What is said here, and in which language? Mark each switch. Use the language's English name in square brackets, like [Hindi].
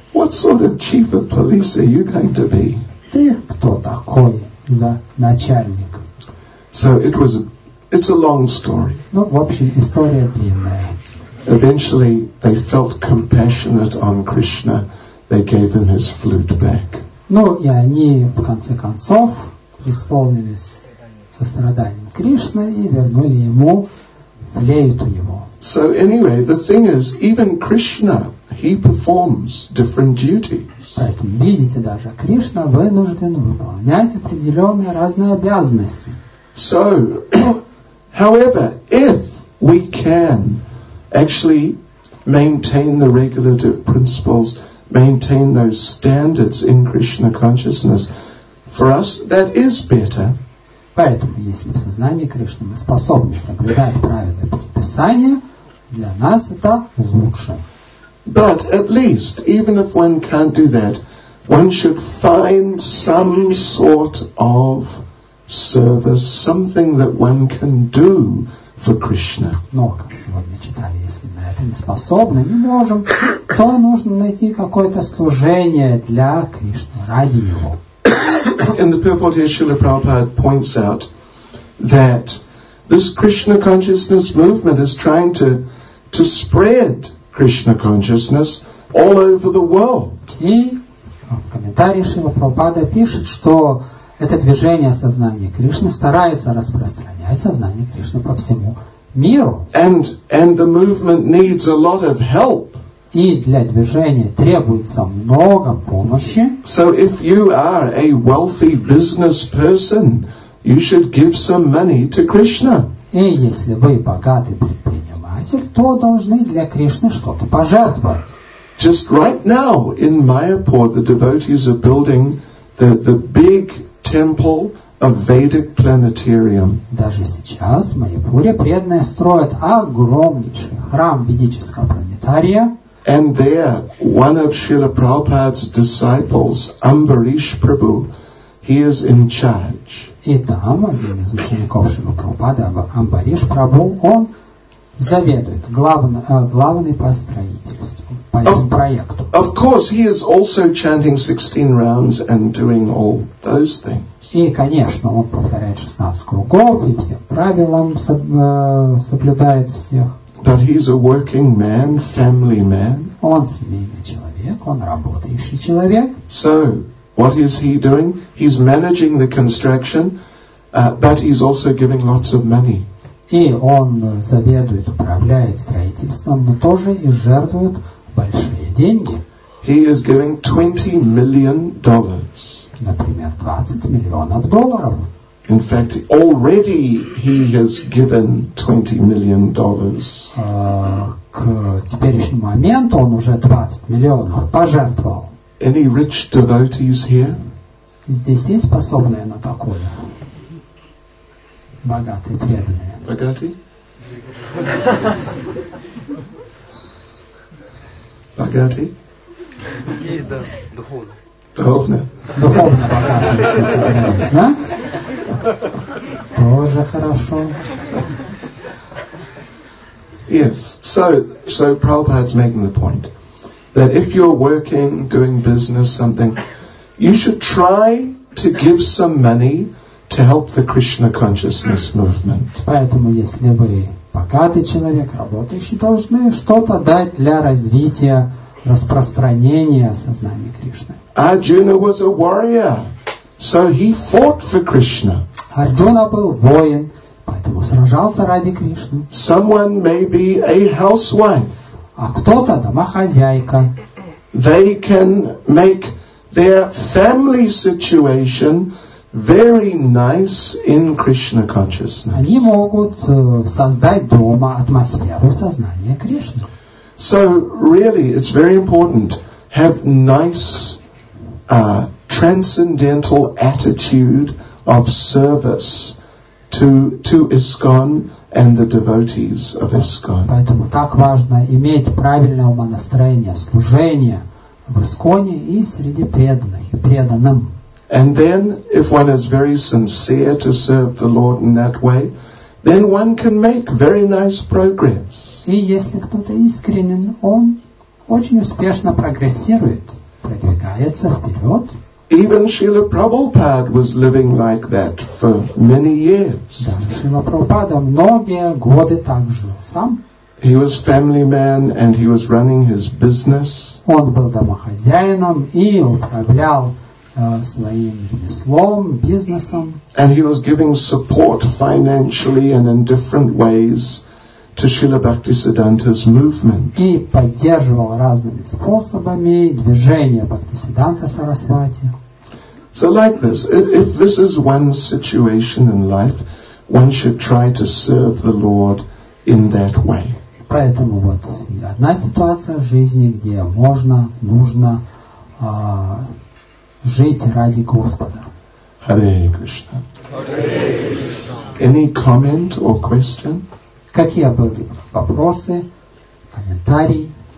[English] What sort of chief of police are you going to be? [Russian] Ты кто такой за начальник? [English] So it was. It's a long story. [Russian] Ну, в общем, история длинная. [English] Eventually, they felt compassionate on Krishna. They gave him his flute back. [Russian] Ну, и они в конце концов преисполнились состраданием Кришны и вернули ему флейту его. [English] So anyway, the thing is, even Krishna, he performs different duties. [Russian] Поэтому, видите, даже Кришна вынужден выполнять определенные разные обязанности. [English] So, however, if we can actually maintain the regulative principles, maintain those standards in Krishna consciousness, for us, that is better. [Russian] Поэтому, если в сознании Кришны мы способны соблюдать правила предписания, для нас это лучше. [English] But at least, even if one can't do that, one should find some sort of service, something that one can do for Krishna. [Russian] Но, как сегодня читали, если мы это не способны, не можем, то нужно найти какое-то служение для Кришны, ради Его. [English] In the purport here, Srila Prabhupada points out that this Krishna consciousness movement is trying to spread Krishna consciousness all over the world. [Russian] И в комментарии Шрила Прабхупада пишет, что это движение сознания Кришны старается распространять сознание Кришны по всему миру. [English] And the movement needs a lot of help. [Russian] И для движения требуется много помощи. [English] So if you are a wealthy business person, you should give some money to Krishna. [Russian] И если вы богатый предприниматель, то должны для Кришны что-то пожертвовать. [English] Just right now in Mayapur, the devotees are building the big temple of Vedic planetarium. [Russian] Даже сейчас в Майяпуре преданные строят огромнейший храм ведического планетария. [English] And there, one of Srila Prabhupada's disciples, Ambarish Prabhu, he is in charge. [Russian] И там один из учеников Шрила Прабхупады, Амбариш Прабху, он заведует главный по строительству, по этому проекту. [English] Of course, he is also chanting 16 rounds and doing all those things. [Russian] И, конечно, он повторяет 16 кругов и всем правилам соблюдает всех. [English] But he's a working man, family man. [Russian] Он семейный человек, он работающий человек. [English] So, what is he doing? He's managing the construction, but he's also giving lots of money. [Russian] И он заведует, управляет строительством, но тоже и жертвует большие деньги. [English] He is giving $20 million. [Russian] Например, 20 миллионов долларов. [English] In fact, already he has given $20 million. [Russian] К теперешнему моменту он уже 20 миллионов пожертвовал. [English] Any rich devotees here? [Russian] Здесь есть способные на такое? Богатые, преданные. Богатые? Духовные. Духовные богатые, если собирались, да? Тоже хорошо. [English] Yes. So Prabhupada's making the point that if you're working, doing business, something, you should try to give some money to help the Krishna consciousness movement. [Russian] Поэтому, если вы богатый человек, работающий, должны что-то дать для развития, распространения сознания Кришны. [English] Arjuna was a warrior, so he fought for Krishna. [Russian] Арджуна был воин, поэтому сражался ради Кришны. [English] Someone may be a housewife. [Russian] А кто-то домохозяйка. [English] They can make their family situation very nice in Krishna consciousness. [Russian] Они могут создать дома атмосферу сознания Кришны. [English] So really, it's very important have nice transcendental attitude of service to ISKCON and the devotees of ISKCON. [Russian] Поэтому так важно иметь правильное умонастроение, служение в ИСККОНе и среди преданных и преданным. [English] And then, if one is very sincere to serve the Lord in that way, then one can make very nice progress. [Russian] И если кто-то искренен, он очень успешно прогрессирует, продвигается вперед. [English] Even Srila Prabhupada was living like that for many years. [Russian] Даже Шрила Прабхупада многие годы так жил сам. [English] He was family man and he was running his business. [Russian] Он был домохозяином и управлял своим ремеслом, бизнесом. [English] And he was giving support financially and in different ways to Srila Bhaktisiddhanta's movement. [Russian] И поддерживал разными способами движение Бхактисиддханта Сарасвати. [English] So like this, if this is one situation in life, one should try to serve the Lord in that way. [Russian] Поэтому вот одна ситуация в жизни, где можно, нужно жить ради Господа. [English] Hare Krishna. Hare Krishna. Any comment or question? [Russian] Какие были вопросы, комментарии?